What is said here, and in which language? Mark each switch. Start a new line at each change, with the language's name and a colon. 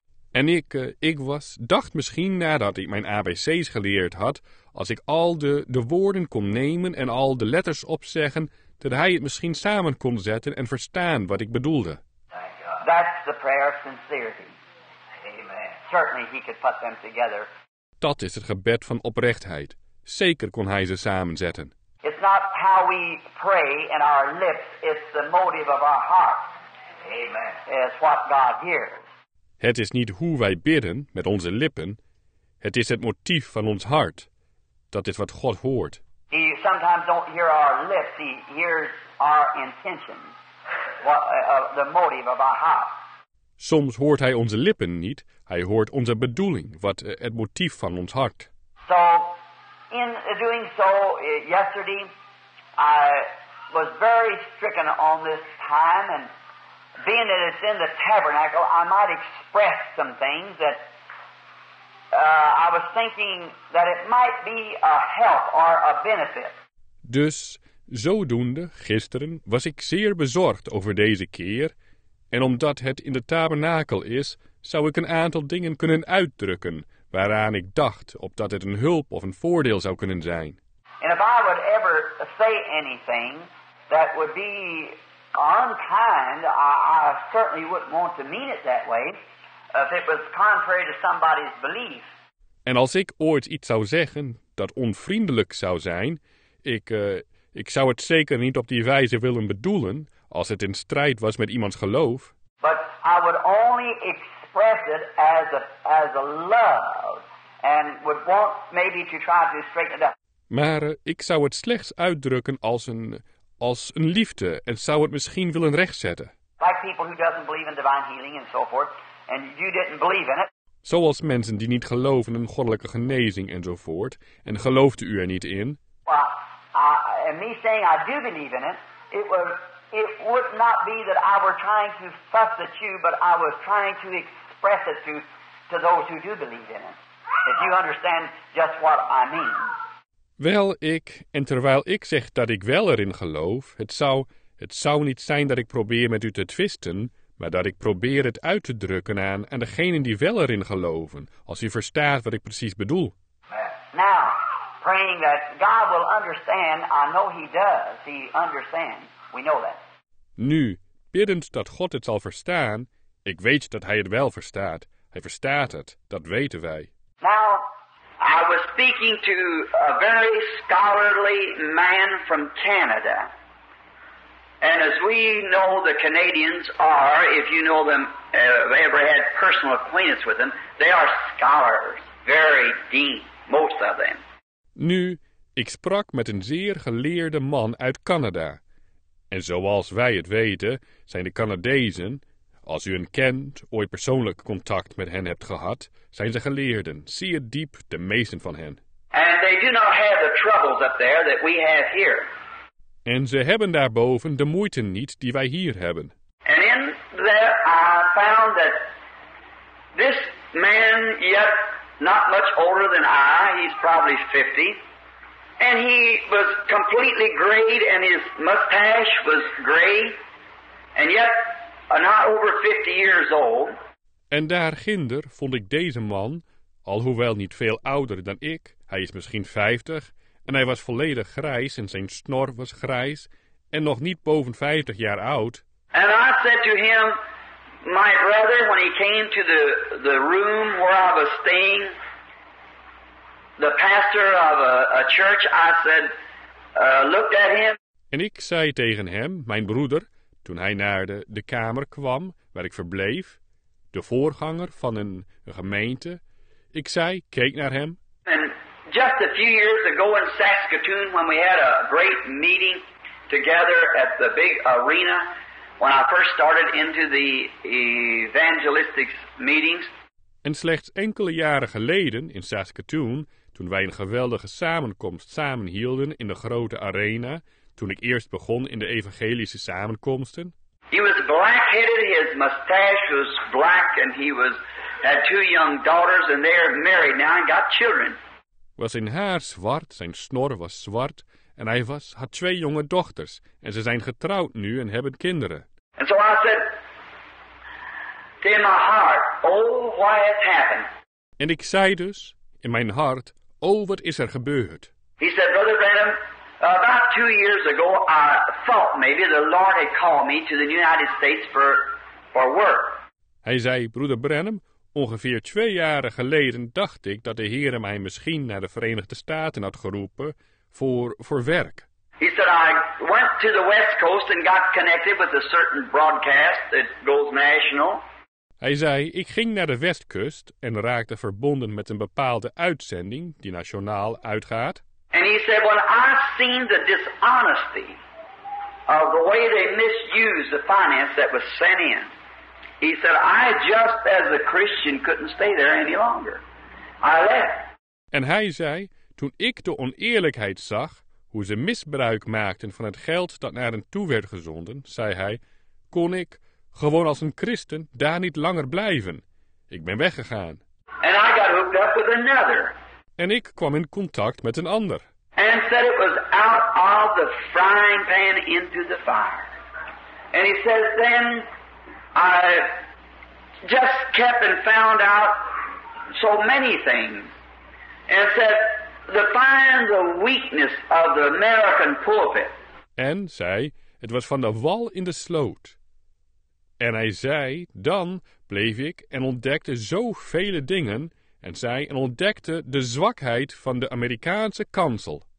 Dutch: En ik dacht misschien nadat ik mijn ABC's geleerd had, als ik al de woorden kon nemen en al de letters opzeggen, dat hij het misschien samen kon zetten en verstaan wat ik bedoelde.
English: That's the prayer of sincerity. Amen. Certainly he could put them together.
Dutch: Dat is het gebed van oprechtheid. Zeker kon hij ze samenzetten.
English: It's not how we pray in our lips, it's the motive of our heart. Amen. It's what God hears.
Dutch: Het is niet hoe wij bidden met onze lippen, het is het motief van ons hart. Dat is wat God hoort.
English: He sometimes don't hear our lips, he hears our intentions, the motive of our heart.
Dutch: Soms hoort hij onze lippen niet, hij hoort onze bedoeling, wat het motief van ons hart.
English: So, in doing so, yesterday, I was very stricken on this time, and being that it's in the tabernacle, I might express some things that I was thinking that it might be a help or a benefit.
Dutch: Dus, zodoende, gisteren, was ik zeer bezorgd over deze keer, en omdat het in de tabernakel is, zou ik een aantal dingen kunnen uitdrukken waaraan ik dacht, opdat het een hulp of een voordeel zou kunnen zijn.
English: And if I would ever say anything that would be unkind, I certainly wouldn't want to mean it that way, if it was contrary to somebody's belief.
Dutch: En als ik ooit iets zou zeggen dat onvriendelijk zou zijn, ik zou het zeker niet op die wijze willen bedoelen, als het in strijd was met iemands geloof.
English: But I would only express it as a love, and would want maybe to try to straighten it up.
Dutch: Maar ik zou het slechts uitdrukken als een liefde en zou het misschien willen rechtzetten.
English: Like people who doesn't believe in divine healing and so forth, and you didn't believe in it.
Dutch: Zoals mensen die niet geloven in goddelijke genezing enzovoort, en geloofde u er niet in?
English: Well, and me saying I do believe in it, it would not be that I were trying to fuss at you, but I was trying to express it to those who do believe in it. If you understand just what I mean.
Dutch: Wel, ik, en terwijl ik zeg dat ik wel erin geloof, het zou niet zijn dat ik probeer met u te twisten, maar dat ik probeer het uit te drukken aan degenen die wel erin geloven, als u verstaat wat ik precies bedoel.
English: Now, praying that God will understand, I know he does, he understands, we know that.
Dutch: Nu, biddend dat God het zal verstaan, ik weet dat hij het wel verstaat, hij verstaat het, dat weten wij.
English: Now, I was speaking to a very scholarly man from Canada. And as we know, the Canadians are, if you know them, if ever had personal acquaintance with them, they are scholars, very deep, most of them.
Dutch: Nu, ik sprak met een zeer geleerde man uit Canada. En zoals wij het weten, zijn de Canadezen, als u hen kent, ooit persoonlijk contact met hen hebt gehad, zijn ze geleerden, zeer diep, de meesten van hen.
English: And they do not have the troubles up there that we have here.
Dutch: En ze hebben daarboven de moeite niet die wij hier hebben.
English: And in there I found that this man, yet not much older than I, he's probably 50, and he was completely grayed and his mustache was gray, and yet not over 50 years old.
Dutch: En daar ginder vond ik deze man, alhoewel niet veel ouder dan ik, hij is misschien 50, en hij was volledig grijs en zijn snor was grijs en nog niet boven 50 jaar oud.
English: And I said to him, my brother, when he came to the room where I was staying, the pastor of a church, I said, looked at him.
Dutch: En ik zei tegen hem, mijn broeder, toen hij naar de kamer kwam waar ik verbleef, de voorganger van een gemeente, ik zei, keek naar hem.
English: And just a few years ago in Saskatoon, when we had a great meeting together at the big arena, when I first started into the evangelistic meetings.
Dutch: En slechts enkele jaren geleden in Saskatoon, toen wij een geweldige samenkomst samenhielden in de grote arena, toen ik eerst begon in de evangelische samenkomsten.
English: He was black-headed, his mustache was black, and he had two young daughters, and they're married now and got children.
Dutch: Was zijn haar zwart, zijn snor was zwart, en hij had twee jonge dochters, en ze zijn getrouwd nu en hebben kinderen.
English: And so I said to him, in my heart, oh, why has happened?
Dutch: En ik zei dus, in mijn hart, oh, wat is er gebeurd?
English: He said, Brother Branham, about 2 years ago, I thought maybe the Lord had called me to the United States for work.
Dutch: Hij zei, broeder Branham, ongeveer 2 jaren geleden dacht ik dat de Heere mij misschien naar de Verenigde Staten had geroepen voor werk.
English: He said, I went to the West Coast and got connected with a certain broadcast that goes national.
Dutch: Hij zei, ik ging naar de Westkust en raakte verbonden met een bepaalde uitzending die nationaal uitgaat.
English: And he said, when I've seen the dishonesty of the way they misused the finance that was sent in, he said, I just as a Christian couldn't stay there any longer. I left.
Dutch: En hij zei, toen ik de oneerlijkheid zag, hoe ze misbruik maakten van het geld dat naar hen toe werd gezonden, zei hij, kon ik, gewoon als een christen, daar niet langer blijven. Ik ben weggegaan.
English: And I got hooked up with another.
Dutch: En ik kwam in contact met een ander.
English: And said it was out of the frying pan into the fire. And he says, then I just kept and found out so many things. And said, the fire, the weakness of the American pulpit.
Dutch: En zei, het was van de wal in de sloot. En hij zei, dan bleef ik en ontdekte zo vele dingen. En zei, en ontdekte de zwakheid van de Amerikaanse kansel.